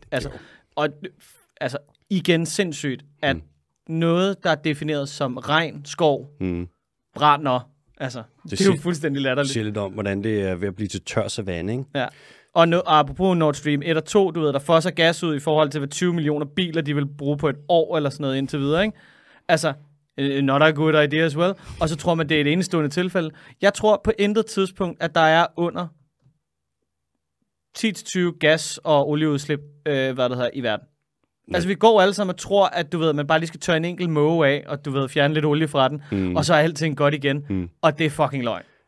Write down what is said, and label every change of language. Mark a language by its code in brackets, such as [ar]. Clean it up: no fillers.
[da] Altså, og, altså igen sindssygt, at noget, der er defineret som regn, skov, brænder, altså, det er jo fuldstændig latterligt. Det siger lidt om, hvordan det er ved at blive til tør savanne, ikke? Ja. Og nu, apropos Nord Stream 1 og 2, du ved, der fosser gas ud i forhold til, hvad 20 millioner biler, de vil bruge på et år eller sådan noget indtil videre, ikke? [en] Altså, not a good idea as well. [da] Og så tror man, det er et enestående tilfælde. Jeg tror på intet tidspunkt, at der er under 10-20 gas- og olieudslip, i verden. Nej. Altså, vi går alle sammen og tror, at du ved, man bare lige skal tørre en enkelt måge af, og du ved, fjerne lidt olie fra den, og så er alting godt igen. Mm. Og det er fucking løgn.